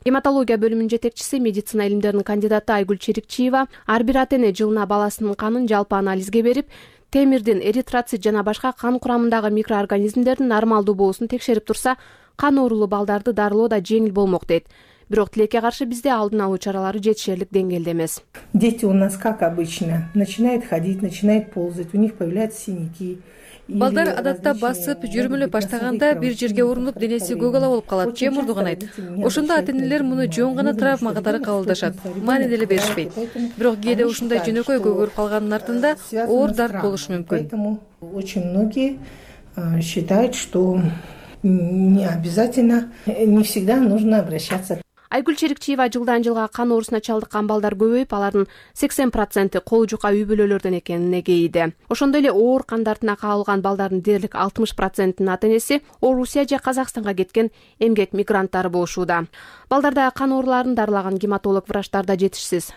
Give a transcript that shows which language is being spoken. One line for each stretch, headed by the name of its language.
Kyrgyz: Гематология бөлүмүнүн жетекчиси, медицина илимдеринин кандидаты Айгүл Черикчиева ар бир ата эне жылына баласынын канын жалпы анализге берип, темирдин, эритроцит жана башка кан курамындагы микроорганизмдердин нормалдуу болуусун текшерип турса, кан оорулуу балдарды дарылоо да жеңил болмок дейт. Бирок тилекке каршы бизде алдын алуу чаралары жетишерлик деңгээлде эмес.
Russian: Дети у нас как обычно, начинает ходить, начинает ползать, у них появляются синяки.
Kyrgyz: Балдар адатта басып, жүрмөлөп баштаганда бир жерге урунуп, денеси көк ала болуп калат, же мурдуганайт. Ошондо ата-энелер муну жөн гана травма катары кабылдашат, маани деле беришпейт. Бирок кээде ушундай жөнөкөй көгөрүп калганын артында оор дарт болушу мүмкүн.
Russian: Очень многие считают, что не обязательно, не всегда нужно обращаться.
Kyrgyz: Айгүл Черикчиева жылдан жылга кан оорусуна чалдыккан балдар көбөйүп, алардын 80% кол жука үй бүлөлөрдөн экенине кейиде. Ошондой эле оор кан дартына кабылган балдардын дээрлик 60%нын ата энеси Орусия же Казакстанга кеткен эмгек мигранттары болушууда. Балдарда кан ооруларын дарылаган гематолог врачтар да жетишсиз.